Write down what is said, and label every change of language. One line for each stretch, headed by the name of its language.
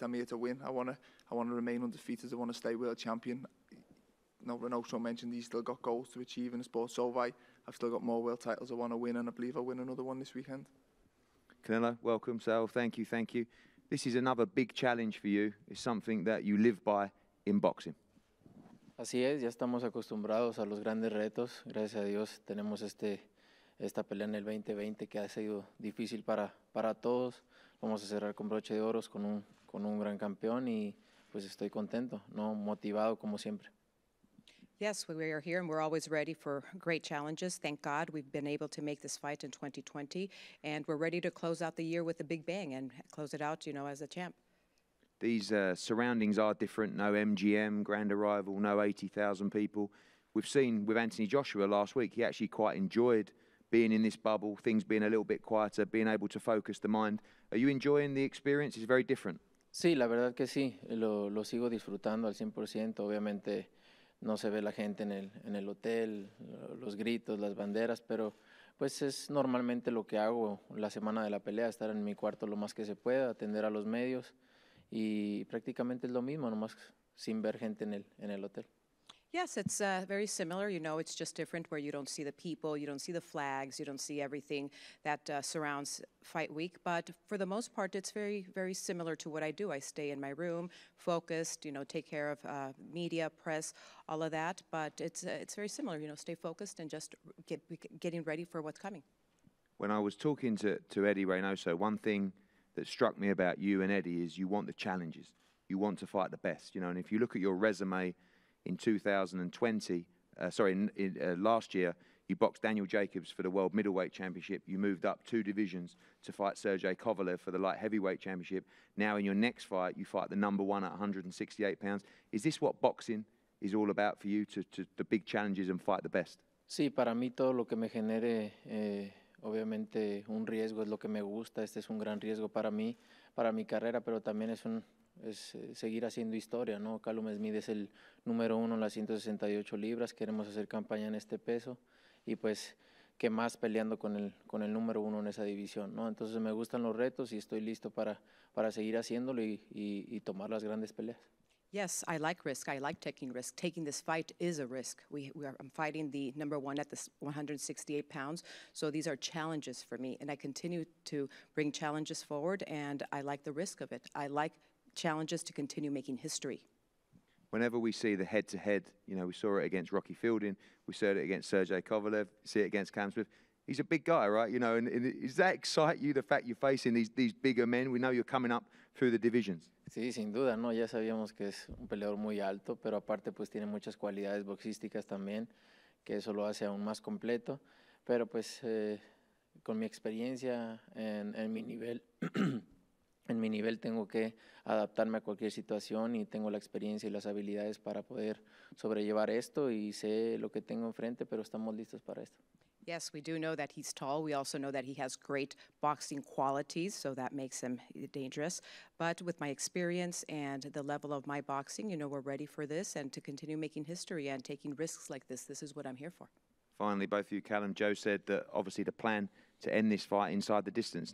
English: I'm here to win. I want to remain undefeated. I want to stay world champion. Renato mentioned he's still got goals to achieve in the sport, so I've still got more world titles I want to win, and I believe I'll win another one this weekend. Canelo, welcome, Sal. Thank you. This is another big challenge for you. It's something that you live by in boxing.
Spanish: Así es, ya estamos acostumbrados a los grandes retos. Gracias a Dios tenemos esta pelea en el 2020 que ha sido difícil para todos. Vamos a cerrar con broche de oro con un gran campeón y pues estoy contento, motivado como siempre.
English: Yes, we are here and we're always ready for great challenges. Thank God we've been able to make this fight in 2020, and we're ready to close out the year with a big bang and close it out, as a champ. These surroundings are different. No MGM, grand arrival, no 80,000 people. We've seen with Anthony Joshua last week, he actually quite enjoyed being in this bubble, things being a little bit quieter, being able to focus the mind. Are you enjoying the experience? It's very different.
Spanish: Sí, la verdad que sí. Lo sigo disfrutando al 100%. Obviamente, no se ve la gente en el hotel, los gritos, las banderas, pero pues es normalmente lo que hago la semana de la pelea, estar en mi cuarto lo más que se pueda, atender a los medios, y prácticamente es lo mismo, nomás sin ver gente en el hotel.
English: Yes, it's very similar. It's just different where you don't see the people, you don't see the flags, you don't see everything that surrounds fight week. But for the most part, it's very, very similar to what I do. I stay in my room, focused, take care of media, press, all of that. But it's very similar, stay focused and just getting ready for what's coming. When I was talking to Eddie Reynoso, one thing that struck me about you and Eddie is you want the challenges. You want to fight the best, and if you look at your resume, last year, you boxed Daniel Jacobs for the World Middleweight Championship. You moved up two divisions to fight Sergey Kovalev for the Light Heavyweight Championship. Now in your next fight, you fight the number one at 168 pounds. Is this what boxing is all about for you, to the big challenges and fight the best?
Spanish: Sí, para mí todo lo que me genere, obviamente, un riesgo es lo que me gusta. Este es un gran riesgo para mí, para mi carrera, pero también es seguir haciendo historia, ¿no? Callum Smith es el número uno en las 168 libras. Queremos hacer campaña en este peso. Y pues, ¿qué más peleando con el número uno en esa división, ¿no? Entonces, me gustan los retos y estoy listo para seguir haciéndolo y tomar las grandes peleas.
English: Yes, I like risk. I like taking risk. Taking this fight is a risk. I'm fighting the number one at this 168 pounds. So these are challenges for me. And I continue to bring challenges forward. And I like the risk of it. I like challenges to continue making history. Whenever we see the head-to-head, we saw it against Rocky Fielding, we saw it against Sergey Kovalev, see it against Cam Smith. He's a big guy, right? And does that excite you, the fact you're facing these bigger men? We know you're coming up through the divisions.
Spanish: Sí, sin duda, ¿no? Ya sabíamos que es un peleador muy alto, pero aparte pues tiene muchas cualidades boxísticas también, que eso lo hace aún más completo. Pero pues con mi experiencia en mi nivel, en mi nivel tengo que adaptarme a cualquier situación y tengo la experiencia y las habilidades para poder sobrellevar esto y sé lo que tengo enfrente, pero estamos listos para esto.
English: Yes, we do know that he's tall. We also know that he has great boxing qualities, so that makes him dangerous. But with my experience and the level of my boxing, we're ready for this and to continue making history and taking risks like this. This is what I'm here for. Finally, both of you, Callum, Joe said that obviously the plan to end this fight inside the distance?